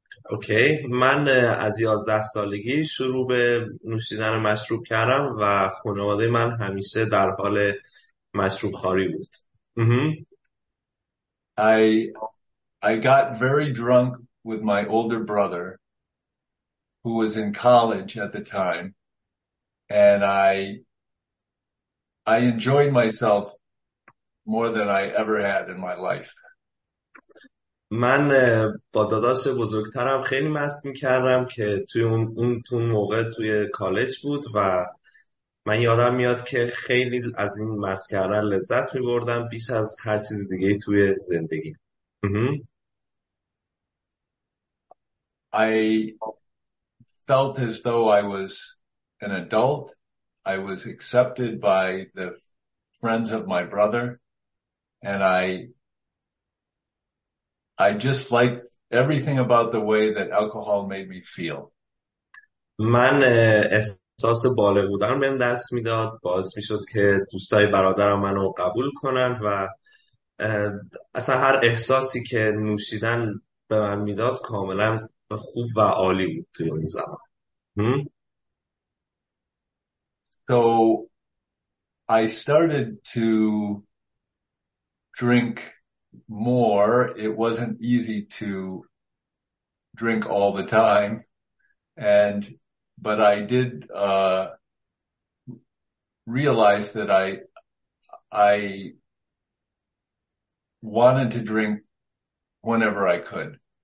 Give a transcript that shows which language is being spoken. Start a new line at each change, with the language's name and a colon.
Persian: اوکی من از 11 سالگی شروع به نوشیدن مشروب کردم و خانواده من همیشه در حال مشروب خاری بود.
English: I got very drunk with my older brother, who was in college at the time, and I enjoyed myself more than I ever had in my life.
Persian: من با داداش بزرگترم خیلی مست میکردم که توی اون موقع توی کالج بود و من یادم میاد که خیلی از این مست کردن لذت میبردم بیش از هر چیز دیگه توی زندگی.
English: I felt as though I was an adult. I was accepted by the friends of my brother, and I just liked everything about the way that alcohol made me feel.
Persian: من احساس بالغ بودن بهم دست میداد، باعث میشد که دوستای برادرم منو قبول کنن و اصلا هر احساسی که نوشیدن به من میداد کاملا خوب و عالی بود توی اون زمان.
English: So I started to drink more. It wasn't easy to drink all the time. But I did realize that I wanted to drink whenever I could.